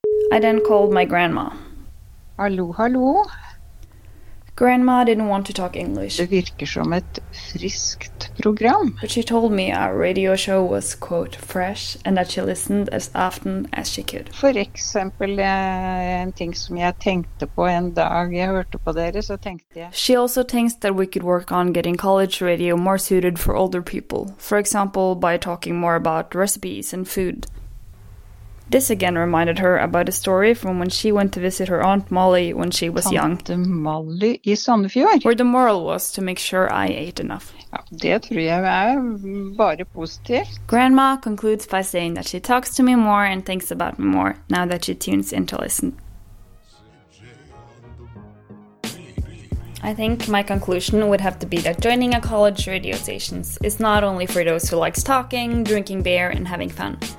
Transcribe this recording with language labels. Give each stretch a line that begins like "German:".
English: I then called my grandma.
Norwegian: Hallo, hallo.
English: Grandma didn't want to talk English.
Norwegian: Det virker som et friskt program.
English: But she told me our radio show was, quote, fresh, and that she listened as often as she could.
Norwegian: For eksempel, en ting som jeg tenkte på en dag jeg hørte på dere, så tenkte jeg.
English: She also thinks that we could work on getting college radio more suited for older people. For example, by talking more about recipes and food. This again reminded her about a story from when she went to visit her aunt Molly when she was young.
Norwegian: Tante Molly I Sandefjord.
English: Where the moral was to make sure I ate enough.
Norwegian: Ja, det tror jeg bare positivt.
English: Grandma concludes by saying that she talks to me more and thinks about me more now that she tunes in to listen. I think my conclusion would have to be that joining a college radio station is not only for those who likes talking, drinking beer and having fun.